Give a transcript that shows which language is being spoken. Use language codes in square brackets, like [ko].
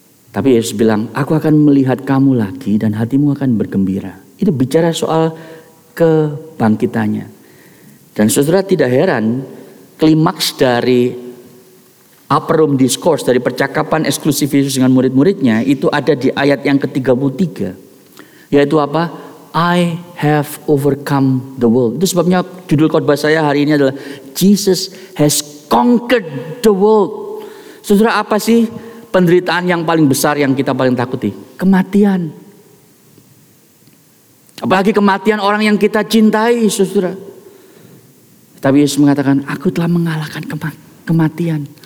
[id] Tapi Yesus bilang, aku akan melihat kamu lagi dan hatimu akan bergembira. Itu bicara soal kebangkitannya. Dan Saudara, tidak heran klimaks dari [en] upper room discourse, [id] dari percakapan eksklusif Yesus dengan murid-muridnya itu ada di ayat yang ke-33. Yaitu apa? [en] I have overcome the world. [id] Itu sebabnya judul khotbah saya hari ini adalah [en] Jesus has conquered the world. [id] Saudara, apa sih penderitaan yang paling besar yang kita paling takuti? Kematian. Apalagi kematian orang yang kita cintai, Saudara. Tapi Yesus mengatakan, aku telah mengalahkan kematian.